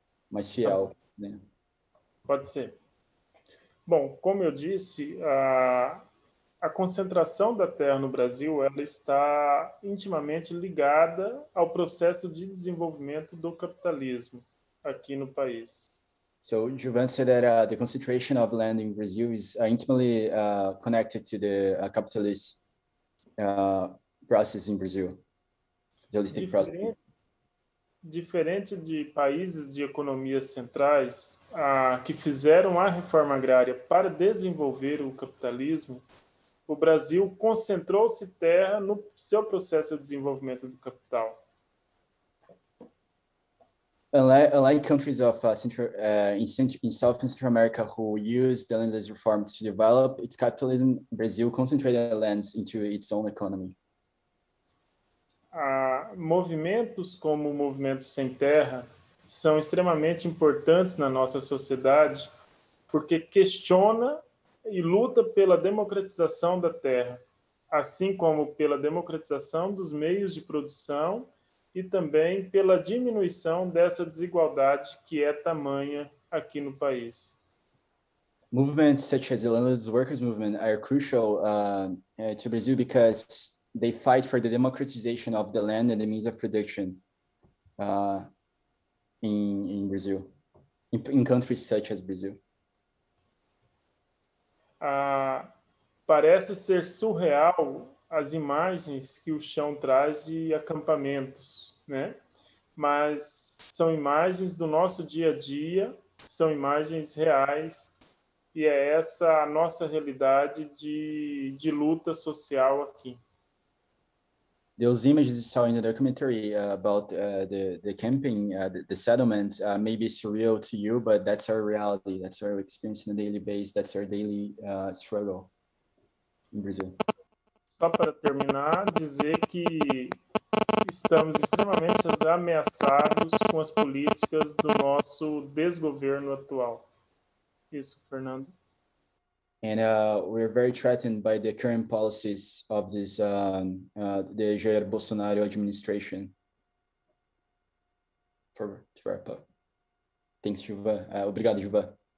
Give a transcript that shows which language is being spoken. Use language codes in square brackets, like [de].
[pt] Mais fiel. Tá. Né? Pode ser. Bom, como eu disse, a concentração da terra no Brasil, ela está intimamente ligada ao processo de desenvolvimento do capitalismo aqui no país. [en] So, Juvan said that the concentration of land in Brazil is intimately connected to the capitalist process in Brazil, capitalistic process. [pt] Diferente de países de economias centrais que fizeram a reforma agrária para desenvolver o capitalismo, o Brasil concentrou-se terra no seu processo de desenvolvimento do capital. [en] Unlike countries of Central America who used the landless reform to develop its capitalism, Brazil concentrated lands into its own economy. [pt] Movimentos como o Movimento Sem Terra são extremamente importantes na nossa sociedade porque questiona e luta pela democratização da terra, assim como pela democratização dos meios de produção e também pela diminuição dessa desigualdade que é tamanha aqui no país. [en] Movimentos such as the Landless Workers Movement are crucial to Brazil because they fight for the democratization of the land and the means of production in Brazil, in countries such as Brazil. [pt] Parece ser surreal as imagens que o Chão traz de acampamentos, né? Mas são imagens do nosso dia a dia, são imagens reais, e é essa a nossa realidade de luta social aqui. [en] Those images you saw in the documentary about the camping, the settlements, may be surreal to you, but that's our reality. That's our experience on a daily basis. That's our daily struggle in Brazil. [pt] Só para terminar, dizer que estamos extremamente ameaçados com as políticas do nosso desgoverno atual. Isso, Fernando. [en] And we're very threatened by the current policies of this the Jair Bolsonaro administration. To wrap up. Thanks, Juba. [pt] Obrigado, Juba.